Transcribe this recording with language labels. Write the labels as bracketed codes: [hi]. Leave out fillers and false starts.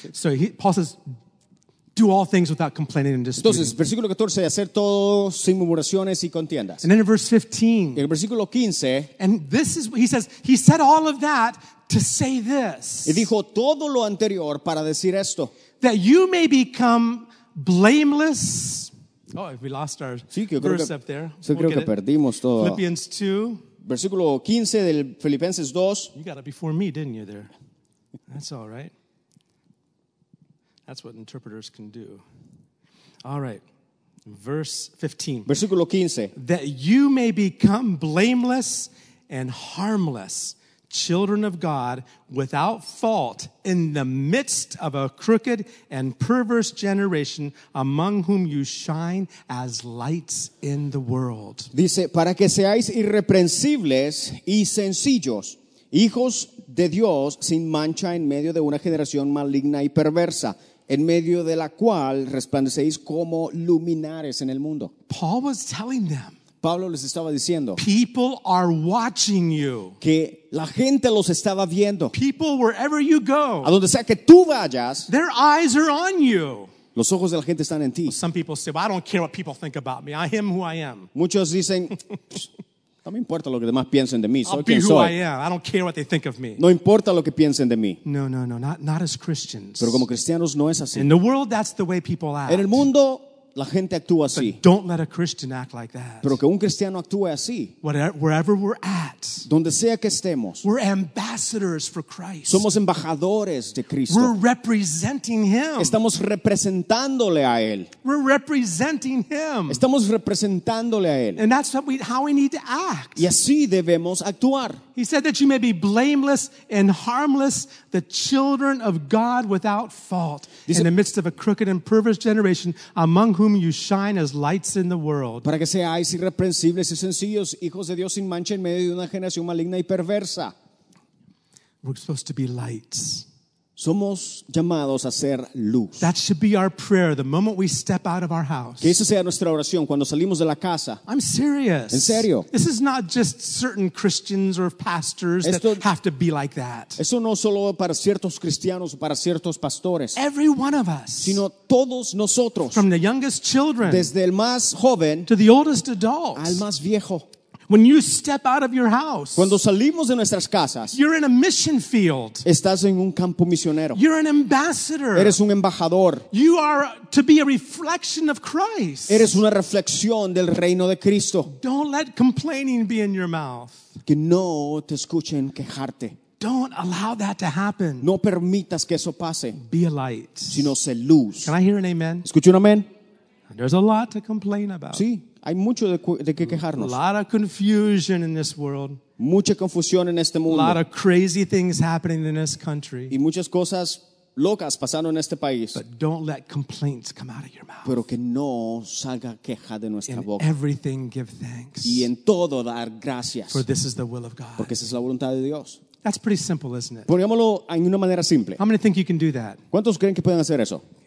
[en] So Paul says, do all things without complaining and disputing. [es] Entonces, versículo 14, hacer todo sin murmuraciones y contiendas. [en] And then in verse 15, [es] el versículo 15, [en] and this is what he says. He said all of that to say this. [es] Y dijo todo lo anterior para decir esto. [en] That you may become blameless. Oh, we lost our verse up there. [es] Sí, creo que perdimos todo. [en] Philippians 2. [es] Versículo 15 del Filipenses 2. [en] You got it before me, didn't you, there? That's all right. That's what interpreters can do. All right. Verse 15. [es] Versículo 15. [en] That you may become blameless and harmless, children of God, without fault, in the midst of a crooked and perverse generation, among whom you shine as lights in the world. [es] Dice, para que seáis irreprensibles y sencillos, hijos de Dios, sin mancha en medio de una generación maligna y perversa, en medio de la cual resplandecéis como luminares en el mundo. [en] Paul was telling them, [es] Pablo les estaba diciendo, [en] people are watching you. [es] Que la gente los estaba viendo. [en] People, wherever you go, [es] a donde sea que tú vayas, [en] their eyes are on you. [es] Los ojos de la gente están en ti. [en] Well, some people say, well, I don't care what people think about me. I am who I am. [es] Muchos dicen, no me importa lo que demás piensen de mí. Soy [en] I'll be [es] quien [en] who [es] soy. [en] I am. I don't care what they think of me. [es] No importa lo que piensen de mí. [en] No, no, no. Not as Christians. [es] Pero como cristianos no es así. [en] In the world, that's the way people act. [es] En el mundo, la gente actúa así. [en] But don't let a Christian act like that. [es] Pero que un cristiano actúe así. [en] Wherever we're at, [es] donde sea que estemos, [en] we're ambassadors for Christ. [es] Somos embajadores de Cristo. [en] We're representing Him. [es] Estamos representándole a Él. [en] We're representing Him. [es] Estamos representándole a Él. [en] And that's how we need to act. [es] Y así debemos actuar. [en] He said that you may be blameless and harmless, the children of God without fault, dice, in the midst of a crooked and perverse generation, among whom you shine as lights in the world. [es] Para que seáis irreprensibles y sencillos, hijos de Dios sin mancha en medio de una generación maligna y perversa. [en] We're supposed to be lights. [es] Somos llamados a ser luz. [en] That should be our prayer the moment we step out of our house. [es] Que esa sea nuestra oración cuando salimos de la casa. [en] I'm serious. [es] En serio. [en] This is not just certain Christians or pastors [es] esto, [en] that have to be like that. [es] Eso no solo para ciertos cristianos o para ciertos pastores. [en] Every one of us. [es] Sino todos nosotros. [en] From the youngest children. [es] Desde el más joven. [en] To the oldest adult. [es] Al más viejo. [en] When you step out of your house, [es] cuando salimos de nuestras casas, [en] you're in a mission field. [es] Estás en un campo misionero. [en] You're an ambassador. [es] Eres un embajador. [en] You are to be a reflection of Christ. [es] Eres una reflexión del reino de Cristo. [en] Don't let complaining be in your mouth. [es] Que no te escuchen quejarte. [en] Don't allow that to happen. [es] No permitas que eso pase. [en] Be a light. [es] Sino sé luz. [en] Can I hear an amen? [es] ¿Escucho un amén? [en] There's a lot to complain about. [es] Sí. Hay mucho de qué quejarnos. [en] A lot of confusion in this world. [es] Mucha confusión en este mundo. [en] A lot of crazy things happening in this country. [es] Y muchas cosas locas pasando en este país. [en] But don't let complaints come out of your mouth. [es] Pero que no salga queja de nuestra [en] in [es] boca. [en] In everything give thanks. [es] Y en todo dar gracias. [en] For this is the will of God. [es] Porque esa es la voluntad de Dios. [en] That's pretty simple, isn't it? [es] Pongámoslo en una manera simple. [en] How many think you can do that? [es] ¿Cuántos creen que pueden hacer eso?